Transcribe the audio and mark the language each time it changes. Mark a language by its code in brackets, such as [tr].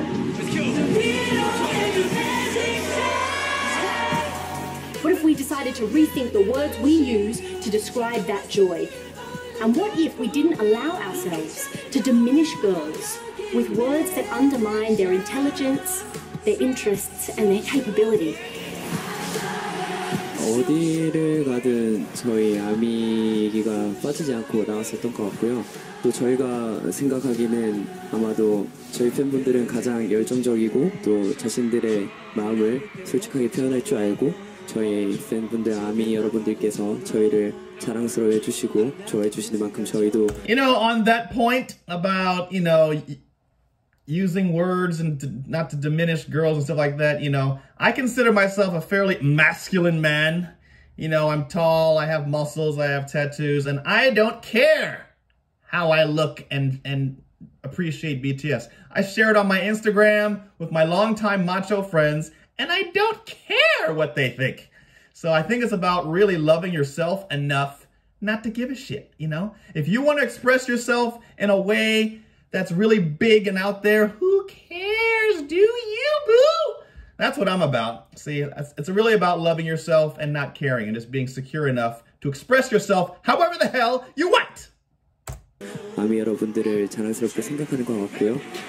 [en] What if we decided to rethink the words we use to describe that joy? And what if we didn't allow ourselves to diminish girls with words that undermine their intelligence, their interests, and their capability? [ko] 어디를 가든 저희 아미 얘기가 빠지지 않고 나왔었던 것 같고요. 또 저희가 생각하기는 아마도 저희 팬분들은 가장 열정적이고 또 자신들의 마음을 솔직하게 표현할 줄 알고 저희 팬분들 아미 여러분들께서 저희를 자랑스러워해 주시고 좋아해 주시는 만큼 저희도 [en] You know, on that point about, you know, using words and not to diminish girls and stuff like that, you know, I consider myself a fairly masculine man. You know, I'm tall, I have muscles, I have tattoos, and I don't care how I look and appreciate BTS. I share it on my Instagram with my longtime macho friends, and I don't care what they think. So I think it's about really loving yourself enough not to give a shit, you know? If you want to express yourself in a way that's really big and out there, who cares? Do you, boo? That's what I'm about. See, it's really about loving yourself and not caring and just being secure enough to express yourself however the hell you want. [ko] 아미 여러분들을 자랑스럽게 생각하는 것 같고요.